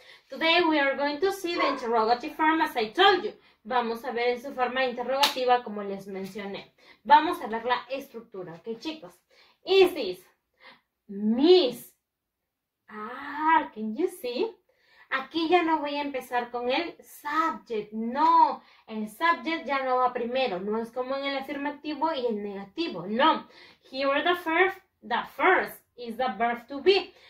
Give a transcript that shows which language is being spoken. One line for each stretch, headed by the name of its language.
English: Today we are going to see the interrogative form as I told you.
Spanish: Vamos a ver en su forma interrogativa como les mencioné. Vamos a ver la estructura, ¿ok, chicos?
English: Is this Miss? Can you see?
Spanish: Aquí ya no voy a empezar con el subject. No, el subject ya no va primero. No es como en el afirmativo y el negativo. No.
English: Here the first is the verb to be.